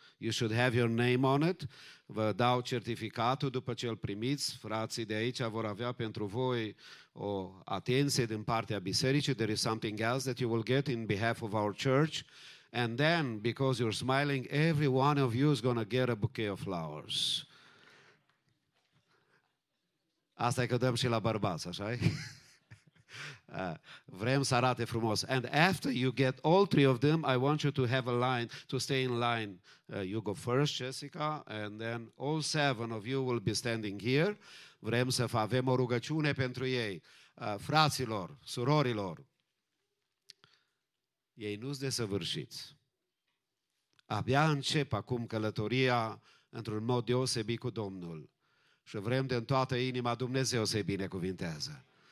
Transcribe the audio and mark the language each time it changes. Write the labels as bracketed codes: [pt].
[en] You should have your name on it. [ro] Vă dau certificatul după ce îl primiți. Frații de aici vor avea pentru voi o atenție din partea bisericii. [en] There is something else that you will get in behalf of our church. And then, because you're smiling, every one of you is going to get a bouquet of flowers. [ro] Asta e că dăm și la bărbați, așa-i? Vrem să arate frumos. [en] And after you get all three of them, I want you to have a line, to stay in line. You go first, Jessica, and then all seven of you will be standing here. [ro] Vrem să avem o rugăciune pentru ei. Fraților, surorilor, ei nu-s desăvârșiți. Abia încep acum călătoria într-un mod deosebit cu Domnul. Și vrem de-n toată inima Dumnezeu să-i binecuvintează.